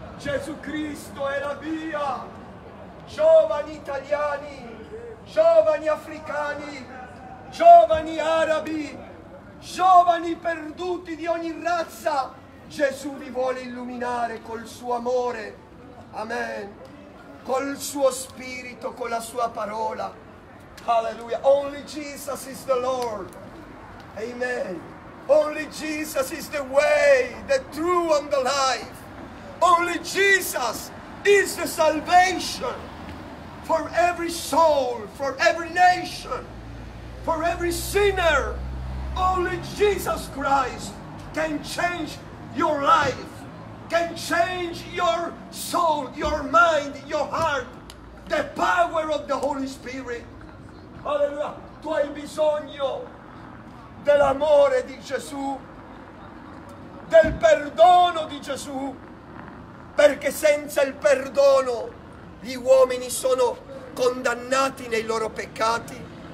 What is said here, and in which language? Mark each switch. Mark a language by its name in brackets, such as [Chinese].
[Italian] Gesù Cristo è la via. Giovani italiani, giovani africani, giovani arabi, giovani perduti di ogni razza. Gesù vi vuole illuminare col suo amore. Amen. Col suo spirito, con la sua parola. [English] Hallelujah. Only Jesus is the Lord. Amen. Only Jesus is the way, the true and the life. Only Jesus is the salvation for every soul, for every nation, for every sinner. Only Jesus Christ can change your life. Can change your soul, your mind, your heart. The power of the Holy Spirit. Alleluia. [Italian] Tu hai bisogno dell'amore di Gesù, del perdono di Gesù, perché senza il perdono gli uomini sono condannati nei loro peccati.